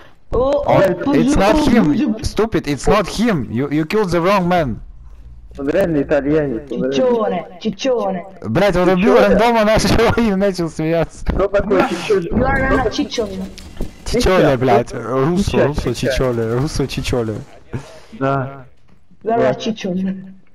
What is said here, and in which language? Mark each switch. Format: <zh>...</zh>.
<en>It's not him, stupid, it's not him. You killed the wrong man.</en> <ru>Он реально итальянец.</ru> <it>Чичоне, чичоне.</it> <ru>Блять, он убил рандома нашего и начал смеяться. Кто такой чичоне?</ru> <en>You are a чичоне.</en> <it>Чичоне,</it> <ru>блять,</ru> <it>руссо, чичоне, руссо, чичоне.</it> <ru>Да.</ru> <en>You are a чичоне.</en>